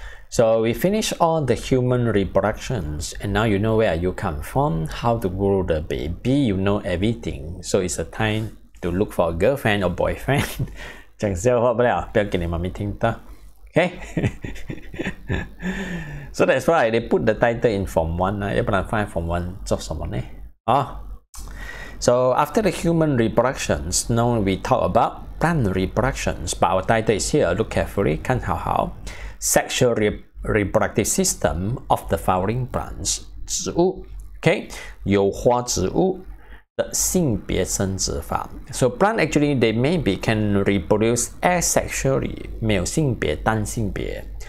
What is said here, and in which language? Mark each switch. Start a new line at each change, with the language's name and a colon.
English: So we finished all the human reproductions, and now you know where you come from, how to grow the baby, you know everything. So it's a time to look for a girlfriend or boyfriend.
Chinese: 讲笑话不了，不要给你妈咪听到。
English: Okay? So that's why they put the title in form one,
Chinese: 要不然放在 form one 做什么呢？
English: So after the human reproductions, now we talk about plant reproductions, but our title is here, look carefully,
Chinese: 看好好
English: sexual reproductive system of the flowering plants, 植物 okay,
Chinese: 有花植物的性别生殖法
English: So plant actually, they maybe can reproduce asexually,
Chinese: 没有性别单性别